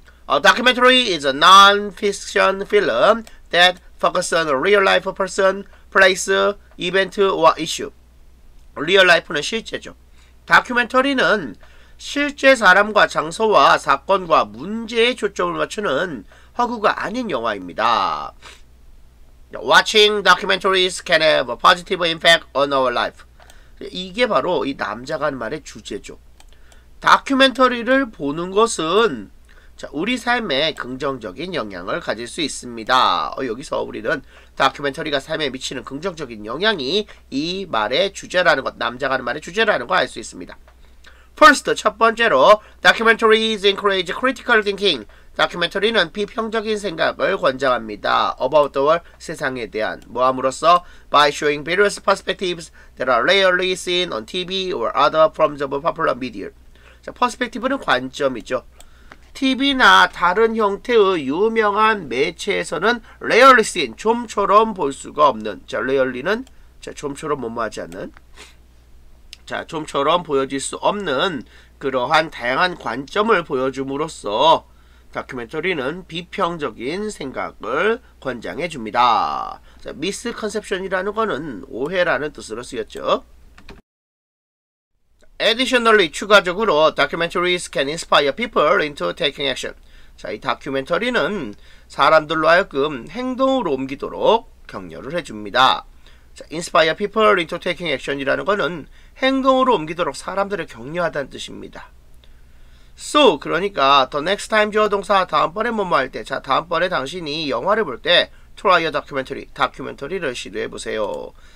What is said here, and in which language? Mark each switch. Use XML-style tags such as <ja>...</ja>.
<en>A documentary is a non-fiction film that focuses on a real-life person, place, event, or issue.</en> <ko>Real-life는 실제죠. 다큐멘터리는 실제 사람과 장소와 사건과 문제에 초점을 맞추는 허구가 아닌 영화입니다.</ko> <en>Watching documentaries can have a positive impact on our life.</en> <ko>이게 바로 이 남자가 하는 말의 주제죠. 다큐멘터리를 보는 것은 우리 삶에 긍정적인 영향을 가질 수 있습니다. 여기서 우리는 다큐멘터리가 삶에 미치는 긍정적인 영향이 이 말의 주제라는 것, 남자가 하는 말의 주제라는 걸 알 수 있습니다.</ko> <en>First,</en> <ko>첫 번째로</ko> <en>Documentaries encourage critical thinking.</en> <ko>다큐멘터리는 비평적인 생각을 권장합니다.</ko> <en>About the world,</en> <ko>세상에 대한 모함으로써</ko> <en>By showing various perspectives that are rarely seen on TV or other forms of popular media.</en> <ko>자, perspective는 관점이죠. TV나 다른 형태의 유명한 매체에서는</ko> <en>rarely seen,</en> <ko>좀처럼 볼 수가 없는. 자, rarely는 좀처럼 못마지 않는. 자, 좀처럼 보여질 수 없는 그러한 다양한 관점을 보여줌으로써 다큐멘터리는 비평적인 생각을 권장해 줍니다. 자, 미스컨셉션이라는 것은 오해라는 뜻으로 쓰였죠.</ko> <en>Additionally,</en> <ko>추가적으로</ko> <en>documentaries can inspire people into taking action.</en> <ko>자, 이 다큐멘터리는 사람들로 하여금 행동으로 옮기도록 격려를 해줍니다. 자,</ko> <en>inspire people into taking action이라는</en> <ko>것은 행동으로 옮기도록 사람들을 격려하다는 뜻입니다. So, 그러니까</ko> <en>the next time</en> <ko>주어 동사 다음번에 뭐뭐 할 때, 자, 다음번에 당신이 영화를 볼 때</ko> <en>try a documentary,</en> <ko>다큐멘터리를 시도해보세요.</ko>